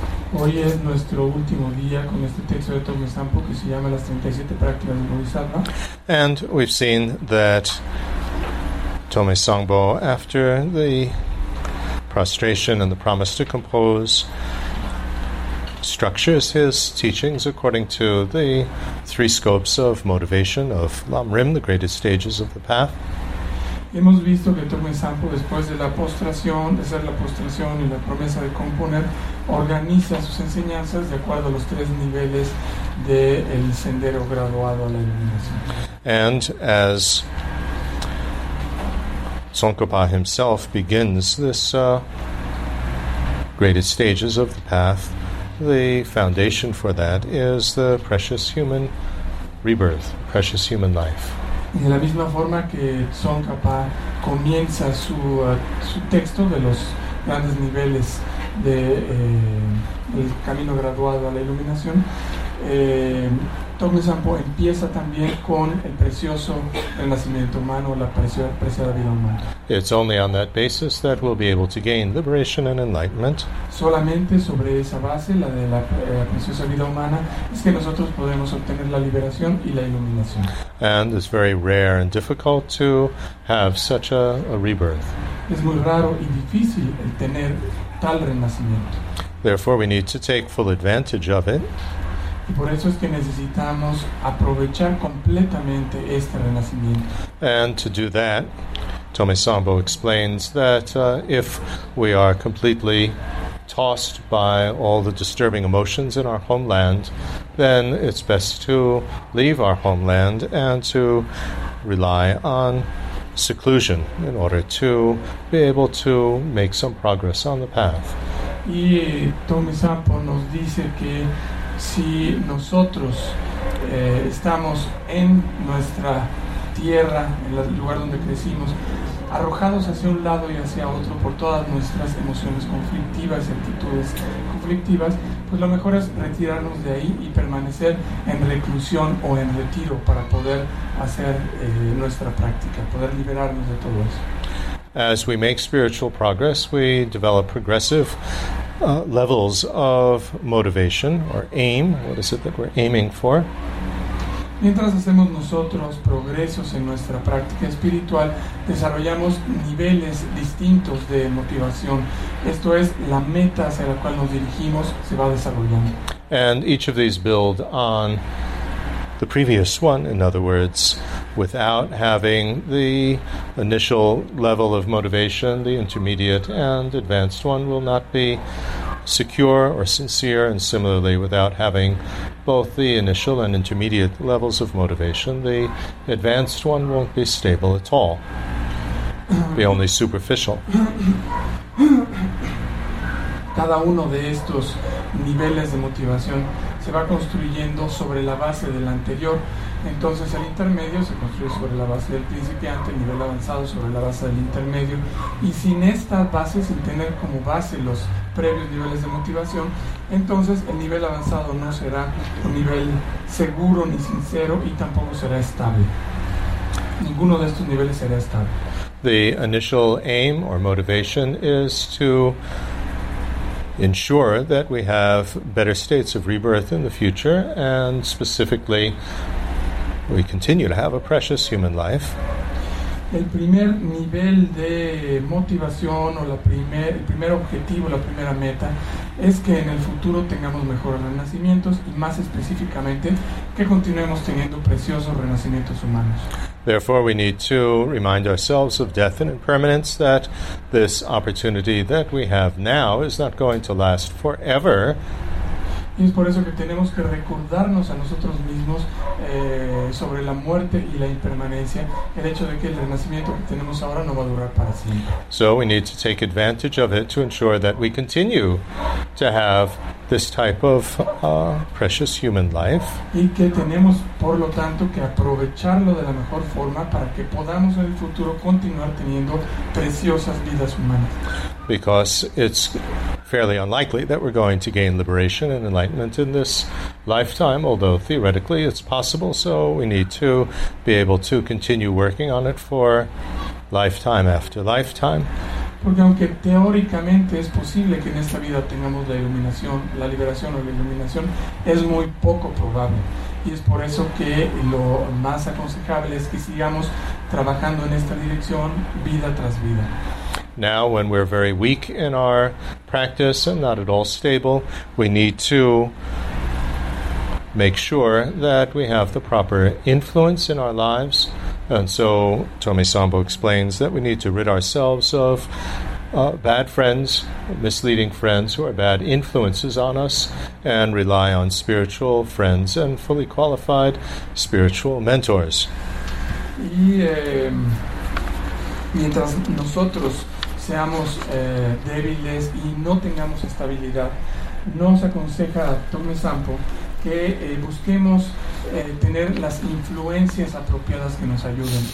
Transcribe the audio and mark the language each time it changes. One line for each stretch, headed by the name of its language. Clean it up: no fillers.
Spanish: Hoy es nuestro último día con este texto de Tomei Sangbo que se llama las 37 prácticas del Bodhisattva.
English: And we've seen that Tomei Sangbo, after the prostration and the promise to compose, structures his teachings according to the three scopes of motivation of Lam Rim, the greatest stages of the path.
Spanish: Hemos visto que Tomei Sangbo, después de la postración, de hacer la postración y la promesa de componer, organiza sus enseñanzas de acuerdo a los tres niveles del sendero graduado a la iluminación.
English: And as Tsongkhapa himself begins this greatest stages of the path, the foundation for that is the precious human rebirth, precious human life.
Spanish: De la misma forma que Tsongkhapa comienza su su texto de los grandes niveles de el camino graduado a la iluminación, Tomei Sangbo empieza también con el precioso renacimiento humano, la preciosa vida humana.
English: It's only on that basis that we'll be able to gain liberation and enlightenment.
Spanish: Solamente sobre esa base, la de la preciosa vida humana, es que nosotros podemos obtener la liberación y la iluminación.
English: And it's very rare and difficult to have such a rebirth.
Spanish: Es muy raro y difícil el tener tal renacimiento.
English: Therefore, we need to take full advantage of it.
Spanish: Y por eso es que necesitamos aprovechar completamente este renacimiento.
English: And to do that, Tomei Sangbo explains that if we are completely tossed by all the disturbing emotions in our homeland, then it's best to leave our homeland and to rely on seclusion in order to be able to make some progress on the path.
Spanish: Y Tomei Sangbo nos dice que si nosotros estamos en nuestra tierra, en el lugar donde crecimos, arrojados hacia un lado y hacia otro por todas nuestras emociones conflictivas y actitudes conflictivas, pues lo mejor es retirarnos de ahí y permanecer en reclusión o en retiro para poder hacer nuestra práctica, poder liberarnos de todo eso.
English: As we make spiritual progress, we develop progressive levels of motivation or aim. What is it that we're aiming for?
Spanish: Mientras hacemos nosotros progresos en nuestra práctica espiritual, desarrollamos niveles distintos de motivación. Esto es, la meta hacia la cual nos dirigimos se va desarrollando.
English: And each of these build on the previous one. In other words, without having the initial level of motivation, the intermediate and advanced one will not be secure or sincere, and similarly, without having both the initial and intermediate levels of motivation, the advanced one won't be stable at all, be only superficial.
Spanish: Cada uno de estos niveles de motivación se va construyendo sobre la base del anterior. Entonces el intermedio se construye sobre la base del principiante, el nivel avanzado sobre la base del intermedio, y sin esta base, sin tener como base los previos niveles de motivación, entonces el nivel avanzado no será un nivel seguro ni sincero y tampoco será estable. Ninguno de estos niveles será estable.
English: The initial aim or motivation is to ensure that we have better states of rebirth in the future, and specifically we continue to have a precious human life.
Spanish: El primer nivel de motivación o el primer objetivo, la primera meta, es que en el futuro tengamos mejores renacimientos y más específicamente que continuemos teniendo preciosos renacimientos humanos.
English: Therefore, we need to remind ourselves of death and impermanence, that this opportunity that we have now is not going to last forever.
Spanish: Y es por eso que tenemos que recordarnos a nosotros mismos sobre la muerte y la impermanencia, el hecho de que el renacimiento que tenemos ahora no va a durar para siempre.
English: So we need to take advantage of it to ensure that we continue to have this type of precious human life.
Spanish: Y que tenemos, por lo tanto, que aprovecharlo de la mejor forma para que podamos en el futuro continuar teniendo preciosas vidas humanas.
English: Because it's fairly unlikely that we're going to gain liberation and enlightenment in this lifetime, although theoretically it's possible, so we need to be able to continue working on it for lifetime after lifetime.
Spanish: Porque aunque teóricamente es posible que en esta vida tengamos la iluminación, la liberación o la iluminación, es muy poco probable. Y es por eso que lo más aconsejable es que sigamos trabajando en esta dirección vida tras vida.
English: Now, when we're very weak in our practice and not at all stable, we need to make sure that we have the proper influence in our lives. And so Tomi Sambo explains that we need to rid ourselves of bad friends, misleading friends who are bad influences on us, and rely on spiritual friends and fully qualified spiritual mentors.
Spanish: Y mientras nosotros seamos débiles y no tengamos estabilidad, nos aconseja Tomi Sambo que busquemos tener las influencias apropiadas que nos ayuden.